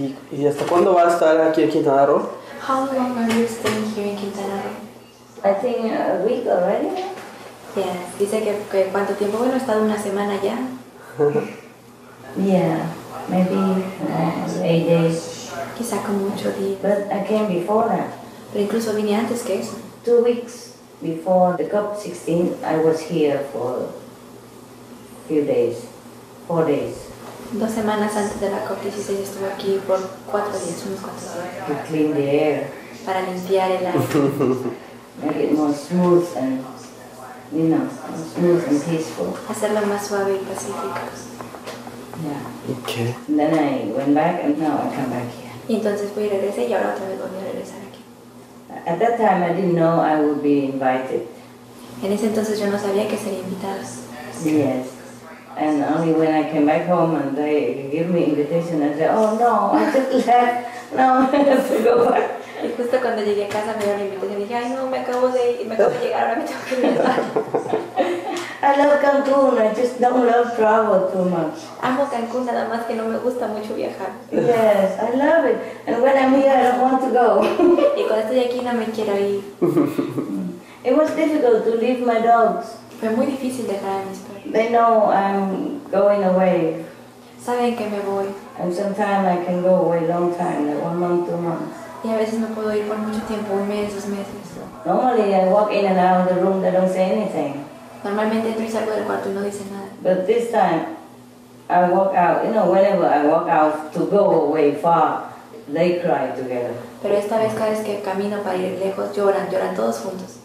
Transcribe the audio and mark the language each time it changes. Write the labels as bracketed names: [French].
[Spanish] ¿Y hasta cuándo va a estar aquí en Quintana Roo? [English] How long are you staying here in Quintana Roo? I think a week already. [Spanish] Yes. Dice que cuánto tiempo. Bueno, he estado una semana ya. [English] Yeah, maybe 8 days. [Spanish] Quizá como 8 días. [English] But I came before that. [Spanish] Pero incluso vine antes que eso. [English] 2 weeks before the COP16, I was here for a few days, 4 days. [Spanish] 2 semanas antes de la COP16 estuve aquí por 4 días, unos 4 días. [English] To clean the air. [Spanish] Para limpiar el aire. [English] Make it more smooth and, you know, smooth and peaceful. [Spanish] Hacerlo más suave y pacífico. [English] Yeah. Okay. And then I went back and now I come back here. [Spanish] Y entonces fui y regresé y ahora otra vez volví a regresar aquí. [English] At that time I didn't know I would be invited. [Spanish] En ese entonces yo no sabía que sería invitada. [English] Yes. And only when I came back home and they give me invitation, I said, oh no, I just left. No, I have to go back. [Spanish] Y justo cuando llegué a casa me dio la invitación y dije, ay no, me acabo de llegar, ahora me tengo que regresar. [English] I love Cancún, I just don't love travel too much. [Spanish] Amo Cancún, nada más que no me gusta mucho viajar. [English] Yes, I love it. And when I'm here, I don't want to go. [Spanish] Y cuando estoy aquí no me quiero ir. [English] It was difficult to leave my dogs. [Spanish] Fue muy difícil dejar a mis perros. [English] They know I'm going away. [Spanish] Saben que me voy. [English] And sometimes I can go away a long time, like 1 month, 2 months. [Spanish] Y a veces no puedo ir por mucho tiempo, 1 mes, 2 meses. [English] Normally I walk in and out of the room, they don't say anything. [Spanish] Normalmente entro y salgo del cuarto y no dicen nada. [English] But this time, I walk out, you know, whenever I walk out to go away far, they cry together. [Spanish] Pero esta vez cada vez que camino para ir lejos, lloran todos juntos.